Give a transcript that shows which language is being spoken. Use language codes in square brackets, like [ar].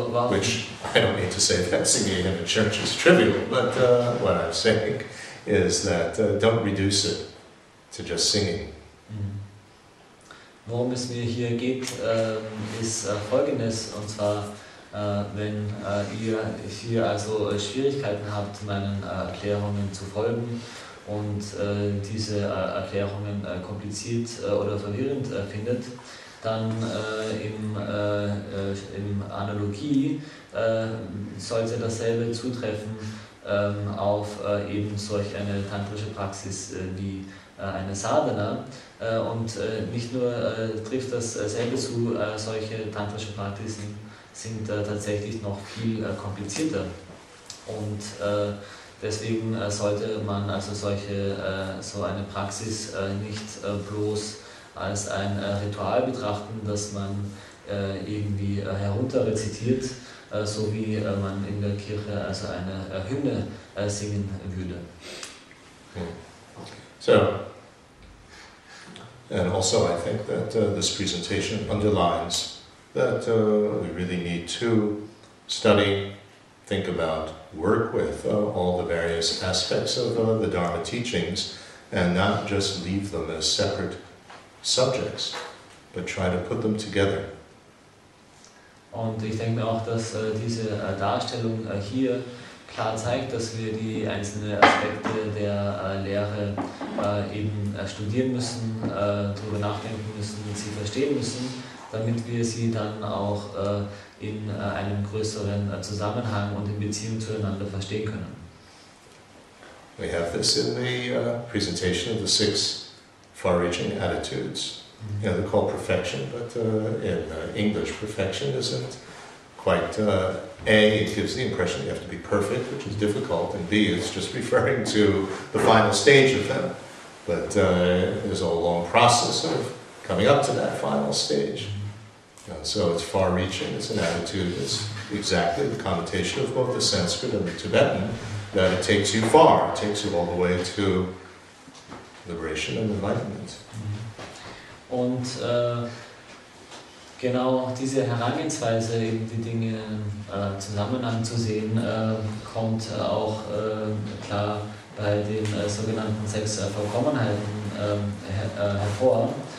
[en] Which, I don't mean to say that singing a hymn in church is trivial, but what I'm saying is that don't reduce it to just singing. [de] Worum es mir hier geht, ist Folgendes, und zwar, wenn ihr hier also Schwierigkeiten habt, meinen Erklärungen zu folgen und diese Erklärungen kompliziert oder verwirrend findet, dann in Analogie sollte dasselbe zutreffen auf eben solch eine tantrische Praxis wie eine Sadhana. Und nicht nur trifft dasselbe zu, solche tantrische Praxisen sind tatsächlich noch viel komplizierter. Und deswegen sollte man also so eine Praxis nicht bloß als ein Ritual betrachten, das man irgendwie herunterrezitiert, so wie man in der Kirche also eine Hymne singen würde. [en] So, and also I think that this presentation underlines that we really need to study, think about, work with all the various aspects of the Dharma teachings and not just leave them as separate subjects, but try to put them together. [de] Und ich denke mir auch, dass diese Darstellung hier klar zeigt, dass wir die einzelnen Aspekte der Lehre eben studieren müssen, darüber nachdenken müssen, sie verstehen müssen, damit wir sie dann auch in einem größeren Zusammenhang und in Beziehung zueinander verstehen können. [en] We have this in the presentation of the six far-reaching attitudes. Mm-hmm. Yeah, they're called perfection, but in English, perfection isn't quite, A, it gives the impression you have to be perfect, which is difficult, and B, it's just referring to the final stage of them. But there's a long process of coming up to that final stage. And so it's far-reaching, it's an attitude, it's exactly the connotation of both the Sanskrit and the Tibetan, that it takes you far, it takes you all the way to liberation and enlightenment. [de] Und genau diese Herangehensweise, eben die Dinge Zusammenhang zu sehen, kommt auch klar bei den sogenannten sechs Vollkommenheiten hervor.